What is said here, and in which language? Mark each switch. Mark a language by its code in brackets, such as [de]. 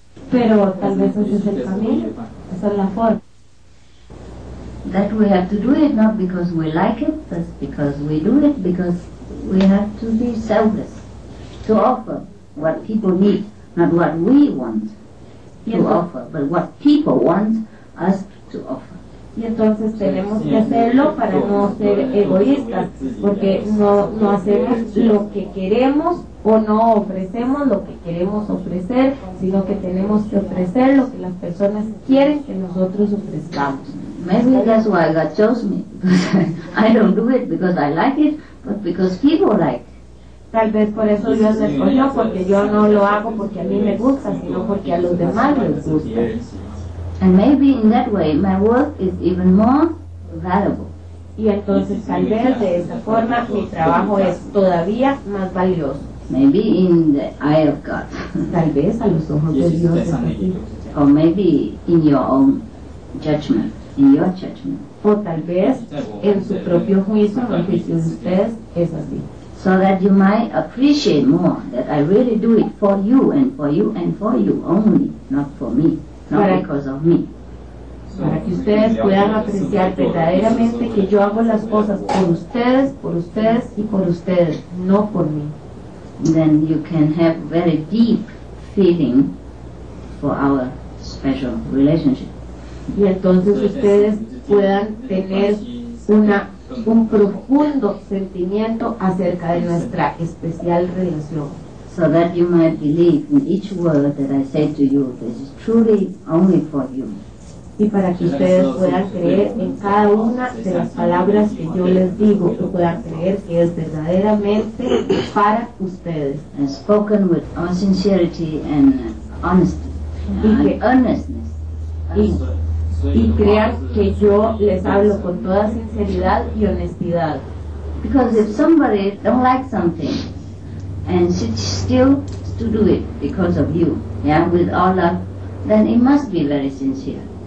[es] Pero tal vez ese es el camino, esa es la forma. [en] That we have to do it not because we like it, but because we do it because we have to be selfless, to offer what people need, not what we want to offer, but what people want us to offer. [es] Y entonces tenemos que hacerlo para no ser egoístas, porque no hacemos lo que queremos o no ofrecemos lo que queremos ofrecer, sino que tenemos que ofrecer lo que las personas quieren que nosotros ofrezcamos. [en] Maybe that's why God chose me, because I don't do it because I like it, but because people like. [es] Tal vez por eso Dios me escogió, porque yo no lo hago porque a mí me gusta, sino porque a los demás les gusta. [en] And maybe in that way my work is even more valuable. [es] Y entonces tal vez de esa forma mi trabajo es todavía más valioso. [en] Maybe in the eye of God. [es] Tal vez a los ojos de Dios. [en] Or maybe in your own judgment, in your judgment. [es] O tal vez en su propio juicio, en el juicio de ustedes, es así. [en] So that you might appreciate more that I really do it for you and for you and for you only, not for me. No, because of me. [es] Para que ustedes puedan apreciar verdaderamente que yo hago las cosas por ustedes y por ustedes, no por mí. [en] Then you can have very deep feeling for our special relationship. [es] Y entonces ustedes puedan tener un profundo sentimiento acerca de nuestra especial relación. [en] So that you might believe in each word that I say to you, this is truly only for you. [es] Y para que ustedes puedan creer en cada una de las palabras que yo les digo, que puedan creer que es verdaderamente para ustedes. [en] And spoken with all sincerity and honesty, and earnestness. [es] Y crean que yo les hablo con toda sinceridad y honestidad. [en] Because if somebody don't like something, and she's still to do it because of you, yeah, with all love, then it must be very sincere.